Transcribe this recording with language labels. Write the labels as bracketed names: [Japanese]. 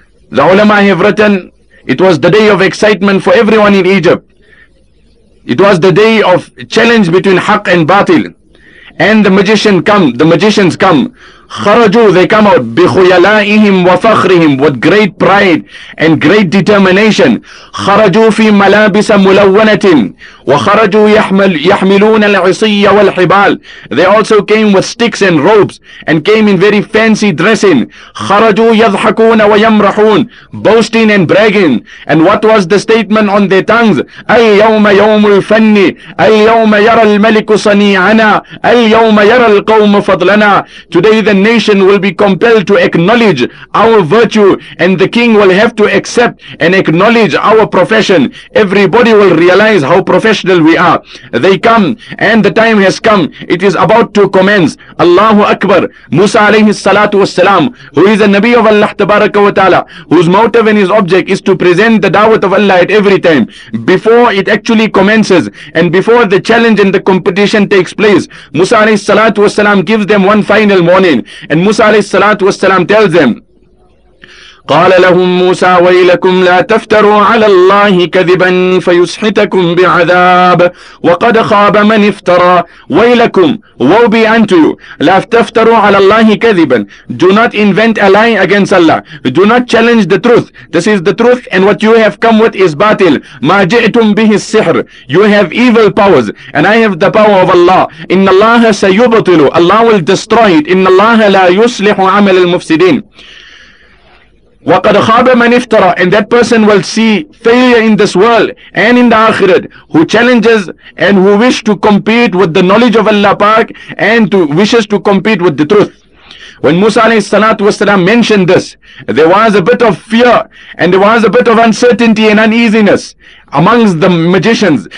[English] The ulama have written, it was the day of excitement for everyone in Egypt. It was the day of challenge between Haqq and Batil. And the magicians come. Kharaju, they come out, [Arabic] بِخُيَلَائِهِمْ وَفَخْرِهِمْ, [English] with great pride and great determination. Kharaju fi [Arabic] مَلَابِسَ مُلَوَّنَةٍ وَخَرَجُوا يَحْمِلُونَ الْعِصِيَّ وَالْحِبَالِ. [English] They also came with sticks and ropes and came in very fancy dressing. Kharaju [Arabic] يَضْحَكُونَ وَيَمْرَحُونَ, [English] boasting and bragging. And what was the statement on their tongues? [Arabic] أَيَّوْمَ يَوْمُ الْفَنِّ أَيَّوْمَ يَرَى الْمَلِكُ صَنِيعَنَا أَيَّوْمَ يَرَى الْقَوْمُ فَضْلَنَا. [English] Today the nation will be compelled to acknowledge our virtue, and the king will have to accept and acknowledge our profession. Everybody will realize how professional we are. They come, and the time has come. It is about to commence. Allahu Akbar. Musa alayhi salatu was salam, who is a Nabi of Allah tabaraka wa ta'ala, whose motive and his object is to present the da'wat of Allah at every time. Before it actually commences, and before the challenge and the competition takes place, Musa alayhi salatu was salam gives them one final warning. And Musa alayhi salatu was salam tells them, [Arabic] قال لهم موسى ويلكم لا تفتروا على الله كذبا فيسحتكم بعذاب وقد خاب من افترى ويلكم [English] woe be unto you. [Arabic] لا تفتروا على الله كذبا. [English] Do not invent a lie against Allah. Do not challenge the truth. This is the truth, and what you have come with is batil. [Arabic] ما جئتم به السحر. [English] You have evil powers, and I have the power of Allah. [Arabic] إن الله سيبطل. [English] Allah will destroy it. [Arabic] إن الله لا يصلح عمل المفسدين. وَقَدْ خَابَ مَنِ افْتَرَى. [English] And that person will see failure in this world and in the akhirat, who challenges and who wish to compete with the knowledge of Allah Pak, and to wishes to compete with the truth. When Musa alayhi salatu wasalam mentioned this, there was a bit of fear and there was a bit of uncertainty and uneasiness amongst the magicians.